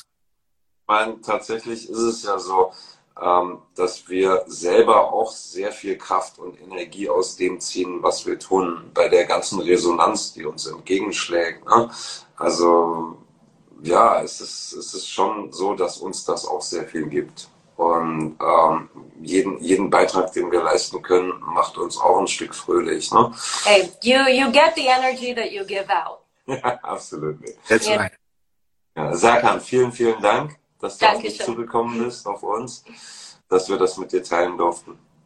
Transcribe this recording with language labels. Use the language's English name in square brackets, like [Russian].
[German] Ich meine, tatsächlich ist es ja so, dass wir selber auch sehr viel Kraft und Energie aus dem ziehen, was wir tun, bei der ganzen Resonanz, die uns entgegenschlägt. Ne? Also ja, es ist schon so, dass uns das auch sehr viel gibt. Und jeden Beitrag, den wir leisten können, macht uns auch ein Stück fröhlich. Ne? [English] Hey, you get the energy that you give out. [German] Ja, absolut. [English] That's right. [German] Ja, Sarkan, vielen, vielen Dank, dass du auf mich zugekommen bist, auf uns, dass wir das mit dir teilen durften.